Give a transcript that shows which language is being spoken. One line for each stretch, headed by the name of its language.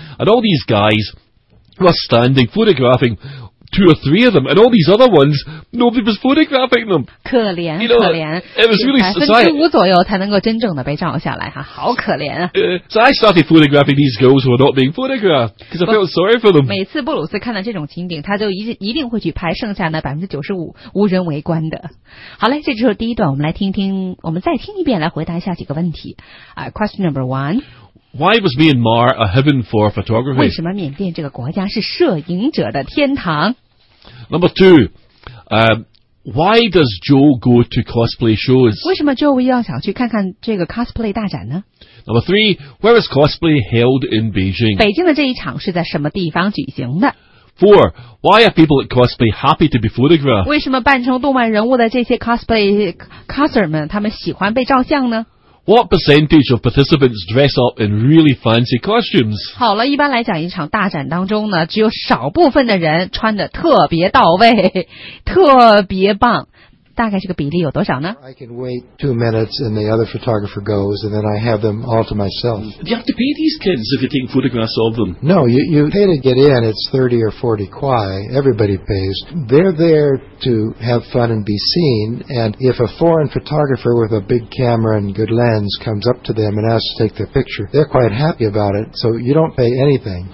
English: And all these guys were standing photographing two or three of them, and all these other ones, nobody was photographing them.
Chinese: 可怜，
English: you know,
Chinese: 可怜。
English: It was really sad.
Chinese: 5%左右才能够真正的被照下来，哈，好可怜啊。
English: So I started photographing these girls who were not being photographed, because I felt sorry for them.
Chinese: 每次布鲁斯看到这种情景，他就一定会去拍剩下的95%无人围观的。好嘞，这就是第一段，我们来听听，我们再听一遍，来回答下几个问题。
English: Question number one. Why was Myanmar a heaven for photography?
Chinese: 为什么缅甸这个国家是摄影者的天堂？
English: Number two, why does Joe go to cosplay shows?
Chinese: 为什么 Joe 要想去看看这个 cosplay 大展呢？
English: Number three, where is cosplay held in Beijing?
Chinese: 北京的这一场是在什么地方举行的？
English: Four, why are people at cosplay happy to be photographed?
Chinese: 为什么扮成动漫人物的这些 cosplay coser 们，他们喜欢被照相呢？
English: What percentage of participants dress up in really fancy costumes?
Chinese: 好了，一般来讲，一场大展当中呢，只有少部分的人穿得特别到位，特别棒。大概这个比例有多少呢？
English: I can wait 2 minutes and the other photographer goes and then I have them all to myself. You have to pay these kids if you take photographs of them. No, you pay to get in, it's 30 or 40 kwai, everybody pays. They're there to have fun and be seen, and if a foreign photographer with a big camera and good lens comes up to them and asks to take their picture, they're quite happy about it, so you don't pay anything.